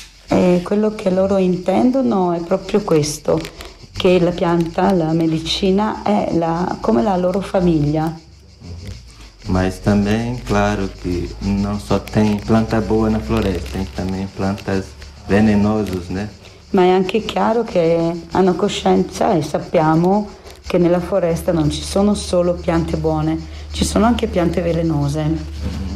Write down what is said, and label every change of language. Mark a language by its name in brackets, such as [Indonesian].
[Italian] E quello che loro intendono è proprio questo, che la pianta, la medicina è la come la loro famiglia. [Portuguese] Mas também, claro, que não só tem planta boa na floresta, tem também plantas venenosas, né? [Italian] Ma è anche chiaro che hanno coscienza e sappiamo che nella foresta non ci sono solo piante buone, ci sono anche piante velenose.